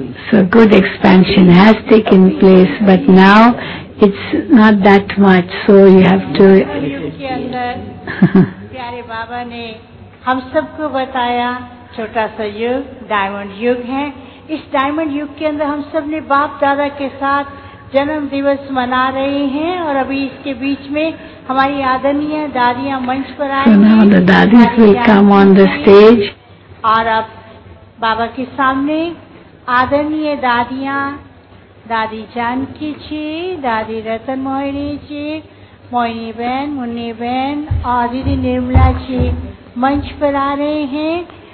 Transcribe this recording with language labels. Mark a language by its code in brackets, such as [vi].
[en] So good expansion has taken place, but now it's not that much, so you have to. [hi] छोटा सा युग diamond युग है. इस डायमंड युग के अंदर हम सब ने बाप दादा के साथ जन्म दिवस मना रहे हैं और अभी इसके बीच में हमारी आदरणीय दादियां मंच पर आई हैं. [en] So now the dadis will come on the stage. [hi] और अब बाबा के सामने आदरणीय दादियां, दादी जानकी जी, दादी रतन मोहिनी जी, मोहिनी बहन, मुन्नी बहन और दीदी निर्मला जी मंच पर आ रहे हैं.